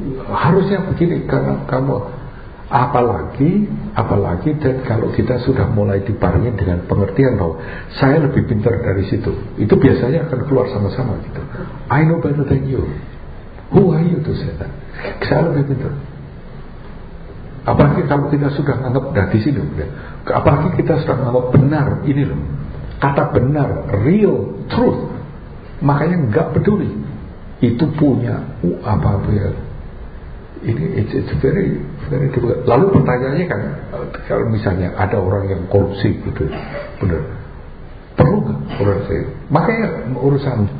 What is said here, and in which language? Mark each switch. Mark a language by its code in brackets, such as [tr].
[id] Harusnya begini karena kamu apalagi dan kalau kita sudah mulai dibarengi dengan pengertian bahwa saya lebih pintar dari situ, itu biasanya akan keluar sama-sama gitu. [en] I know better than you. Who are you to say that? [id] Saya lebih pintar. Apalagi kalau kita sudah menganggap dari situ, ya. Apalagi kita sudah menganggap benar ini loh, kata benar, [en] real truth. [id] Makanya enggak peduli itu punya apa punya. [en] Ini it's very very difficult. [id] Lalu pertanyaannya kan, kalau misalnya ada orang yang korupsi gitu, benar, perlu nggak korupsi? Makanya urusan